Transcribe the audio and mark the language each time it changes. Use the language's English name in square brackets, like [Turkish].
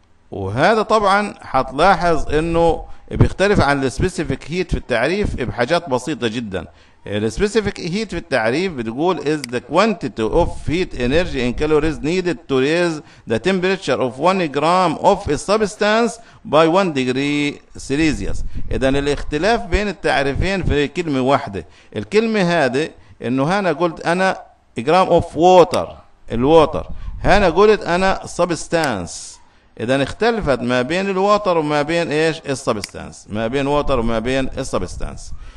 [Arabic] وهذا طبعا هتلاحظ انه بيختلف عن السبيسيفيك هيت في التعريف بحاجات بسيطة جدا. السبيسيفيك هيت في التعريف بتقول [English] is the quantity of heat energy in calories needed to raise the temperature of 1 gram of a substance by 1 degree celsius. [Arabic] اذا الاختلاف بين التعريفين في كلمة واحدة. الكلمة هذه انه هنا قلت انا [English] gram of water [Arabic] الواتر، هنا قلت انا substance. اذا اختلفت ما بين الواتر وما بين ايش السبستانس، ما بين واتر وما بين السبستانس.